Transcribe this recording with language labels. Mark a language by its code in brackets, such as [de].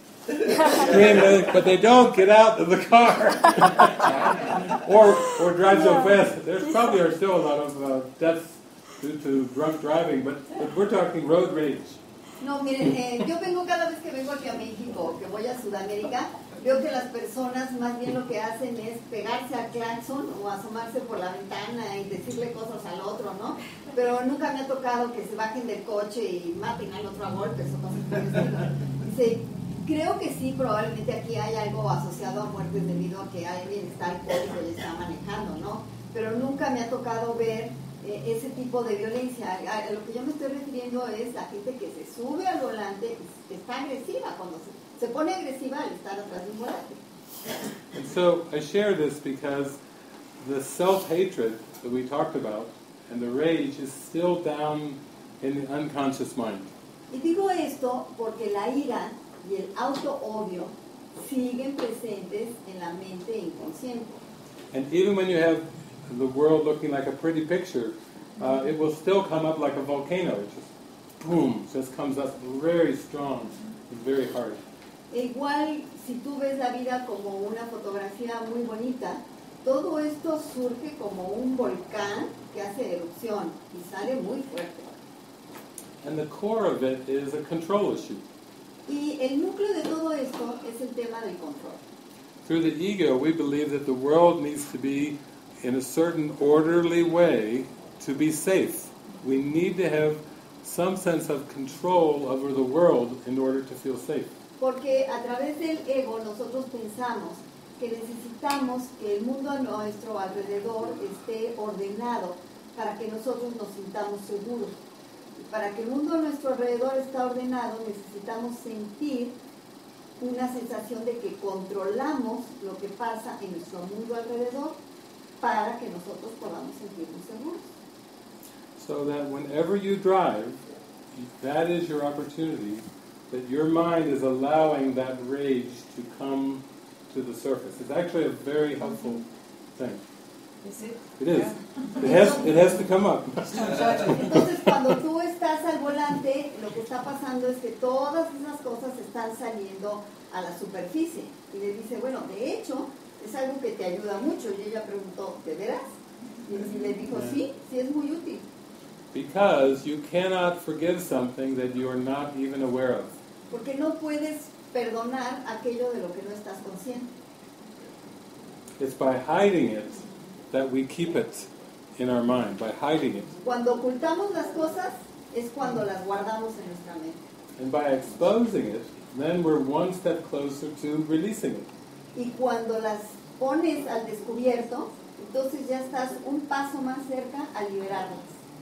[en] But they don't get out of the car or drive so fast. There probably are still a lot of deaths due to drunk driving, but we're talking road rage. [es] No, miren, yo vengo cada vez que vengo aquí a México, que voy a Sudamérica, veo que las personas más bien lo que hacen es pegarse al claxon o asomarse por la ventana y decirle cosas al otro, ¿no? Pero nunca me ha tocado que se bajen del coche y maten al otro a golpes o cosas así. Dice, creo que sí, probablemente aquí hay algo asociado a muertes debido a que alguien está alcohólico y está manejando, ¿no? Pero nunca me ha tocado ver ese tipo de violencia. A lo que yo me estoy refiriendo es la gente que se sube al volante y está agresiva cuando se pone agresiva al estar atrás de un volante. [en] And so I share this because the self-hatred that we talked about and the rage is still down in the unconscious mind. [es] Y digo esto porque la ira y el auto-odio siguen presentes en la mente inconsciente. [en] And even when you have the world looking like a pretty picture, it will still come up like a volcano. It just, boom, just comes up very strong and very hard. [es] Igual, si tú ves la vida como una fotografía muy bonita, todo esto surge como un volcán que hace erupción y sale muy fuerte. [en] And the core of it is a control issue. [es] Y el núcleo de todo esto es el tema del control. [en] Through the ego, we believe that the world needs to be in a certain orderly way to be safe. We need to have some sense of control over the world in order to feel safe. [es] Porque a través del ego nosotros pensamos que necesitamos que el mundo a nuestro alrededor esté ordenado para que nosotros nos sintamos seguros. Para que el mundo a nuestro alrededor está ordenado, necesitamos sentir una sensación de que controlamos lo que pasa en nuestro mundo alrededor para que nosotros podamos sentirnos seguros. [en] So that whenever you drive, that is your opportunity, that your mind is allowing that rage to come to the surface. It's actually a very helpful thing. Is it? It is. Yeah. It has to come up. [es] Entonces, cuando tú estás al volante, lo que está pasando es que todas esas cosas están saliendo a la superficie. Y le dice, bueno, de hecho, es algo que te ayuda mucho. Y ella preguntó, ¿de veras? Y le dijo, sí, sí es muy útil. [en] Because you cannot forgive something that you are not even aware of. [es] Porque no puedes perdonar aquello de lo que no estás consciente. [en] It's by hiding it that we keep it in our mind by hiding it. [es] Cuando ocultamos las cosas es cuando las guardamos en nuestra mente. [en] And by exposing it, then we're one step closer to releasing it. [es] Y cuando las pones al descubierto, entonces ya estás un paso más cerca a liberarlas.